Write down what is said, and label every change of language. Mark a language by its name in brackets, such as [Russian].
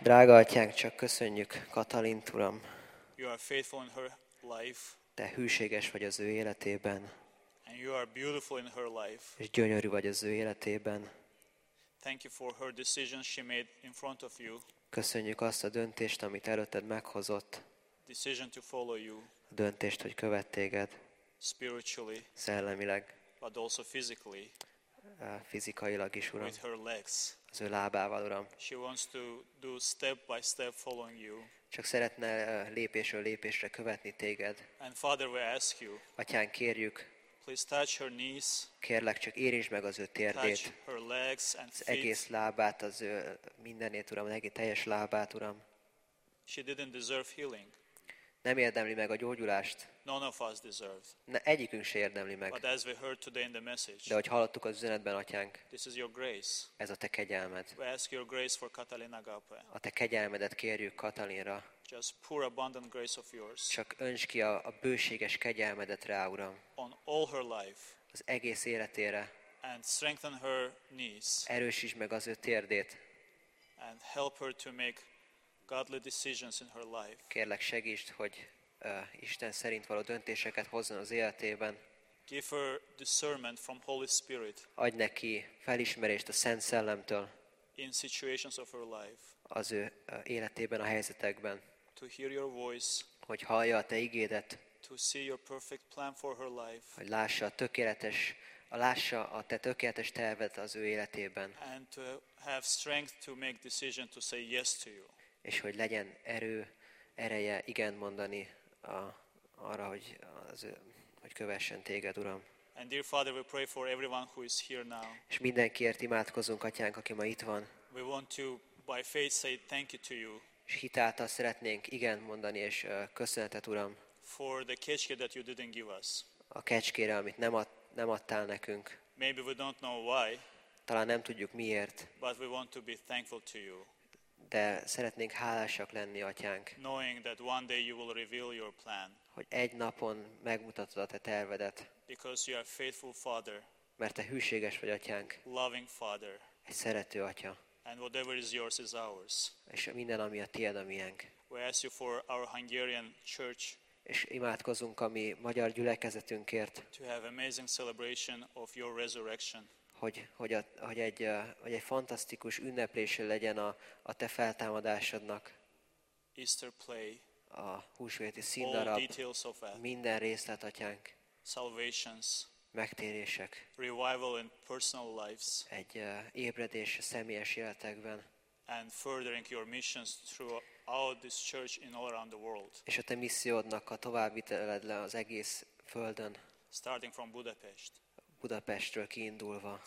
[Hungarian] Drága atyánk, csak köszönjük Katalint, Uram. [English] You are faithful in her life. [Hungarian] Te hűséges vagy az ő életében. [English] And you are beautiful in her life. [Hungarian] És gyönyörű vagy az ő életében. [English] Thank you for her decision she made in front of you. [Hungarian] Köszönjük azt a döntést, amit előtted meghozott. [English] Decision to follow you. [Hungarian] A döntést, hogy követ téged. [English] Spiritually. [Hungarian] Szellemileg. [English] But also physically. [Hungarian] Fizikailag is, Uram. [English] With her legs. [Hungarian] Az ő lábával, Uram. [English] She wants to do step by step following you. [Hungarian] Csak szeretne lépésről lépésre követni téged. [English] And Father, we ask you. [Hungarian] Atyán, kérjük. [English] Please touch her knees. [Hungarian] Kérlek, csak érintsd meg az ő térdét. [English] Touch her legs and feet. [Hungarian] Egész lábát, az ő mindenét, Uram, egész teljes lábát, Uram. [English] She didn't deserve healing. [Hungarian] Nem érdemli meg a gyógyulást. [English] None of us deserve. [Hungarian] Egyikünk se érdemli meg. [English] But as we heard today in the message. [Hungarian] De hogy hallottuk az üzenetben, atyánk. [English] This is your grace. [Hungarian] Ez a te kegyelmed. [English] We ask your grace for Katalin Agape. [Hungarian] A te kegyelmedet kérjük Katalinra. [English] Just pour abundant grace of yours. [Hungarian] Csak önts ki a bőséges kegyelmedet rá, Uram. [English] On all her life. [Hungarian] Az egész életére. [English] And strengthen her knees. [Hungarian] Erősítsd meg az ő térdét. [English] And help her to make godly decisions in her life. [Hungarian] Kérlek, segítsd, hogy Isten szerint való döntéseket hozzon az életében. [English] Give her discernment from Holy Spirit. [Hungarian] Adj neki felismerést a Szent Szellemtől. [English] In situations of her life. [Hungarian] Az ő életében, a helyzetekben. [English] To hear your voice. [Hungarian] Hogy hallja a te igédet. [English] To see your perfect plan for her life. [Hungarian] Hogy lássa a te tökéletes tervet az ő életében. [English] And to have strength to make decision to say yes to you. [Hungarian] És hogy legyen ereje igen mondani arra, hogy kövessen téged, Uram. [English] And dear Father, we pray for everyone who is here now. [Hungarian] És mindenkiért imádkozunk, atyánk, aki ma itt van. [English] We want to by faith say thank you to you. [Hungarian] És hitáltal szeretnénk igen mondani és köszönetet, Uram. [English] For the kecske that you didn't give us. [Hungarian] A kecskére, amit nem adtál nekünk. [English] Maybe we don't know why. [Hungarian] Talán nem tudjuk miért. [English] But we want to be thankful to you. [Hungarian] De szeretnénk hálásak lenni, atyánk. [English] Knowing that one day you will reveal your plan. [Hungarian] Hogy egy napon megmutatod a te tervedet. [English] Because you are faithful father. [Hungarian] Mert te hűséges vagy, atyánk. [English] Loving father. [Hungarian] Egy szerető atya. [English] And whatever is yours is ours. [Hungarian] És minden, ami a tied, a miénk. [English] We ask you for our Hungarian church. [Hungarian] És imádkozunk a mi magyar gyülekezetünkért. [English] To have amazing celebration of your resurrection. [Hungarian] Hogy egy fantasztikus ünneplése legyen a te feltámadásodnak. [English] Easter play. [Hungarian] A húsvéti színdarab. [English] All details of that. [Hungarian] Minden részlet, atyánk. [English] Salvations. [Hungarian] Megtérések. [English] Revival in personal lives. [Hungarian] Egy ébredés a személyes életekben. [English] And furthering your missions throughout this church in all around the world. [Hungarian] És a te missziódnak a továbbviteled le az egész földön. [English] Starting from Budapest. [Hungarian] Budapestről kiindulva.